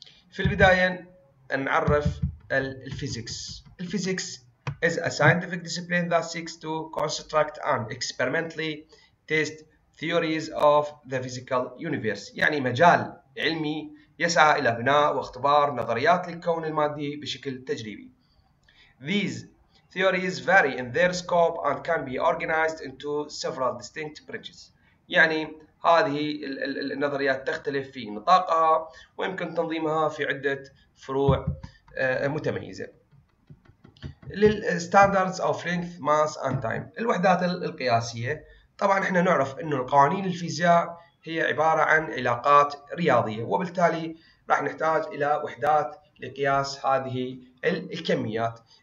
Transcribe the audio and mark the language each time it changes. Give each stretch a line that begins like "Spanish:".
Arabic: في البداية نعرف الفيزيكس.
English: الفيزيكس is a scientific discipline that seeks to construct and experimentally test theories of the physical universe.
Arabic: يعني مجال علمي يسعى إلى بناء واختبار نظريات الكون المادي بشكل تجريبي.
English: These theories vary in their scope and can be organized into several distinct branches.
Arabic: يعني هذه النظريات تختلف في نطاقها ويمكن تنظيمها في عدة فروع متميزة.
English: للstandards of length, mass and time،
Arabic: الوحدات القياسية. طبعا احنا نعرف انه القوانين الفيزياء هي عبارة عن علاقات رياضية، وبالتالي راح نحتاج الى وحدات لقياس هذه الكميات.